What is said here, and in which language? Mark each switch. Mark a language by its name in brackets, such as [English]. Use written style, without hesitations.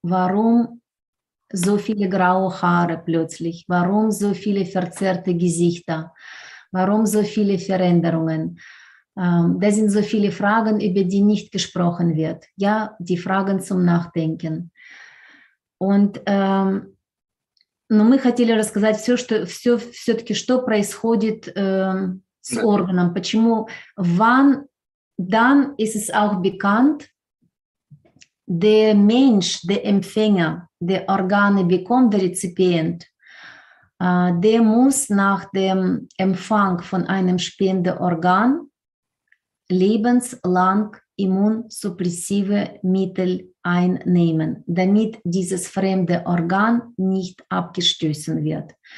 [German] Warum so viele graue Haare plötzlich? Warum so viele verzerrte Gesichter? Warum so viele Veränderungen? Das sind so viele Fragen, über die nicht gesprochen wird. Ja, die Fragen zum Nachdenken. Und [Russian] мы хотели рассказать все, что все-таки что происходит с органом. Почему? [German] Wann? Dann ist es auch bekannt. Der Mensch, der Empfänger, der Organe bekommt, der Rezipient, der muss nach dem Empfang von einem Spendeorgan lebenslang immunsuppressive Mittel einnehmen, damit dieses fremde Organ nicht abgestoßen wird.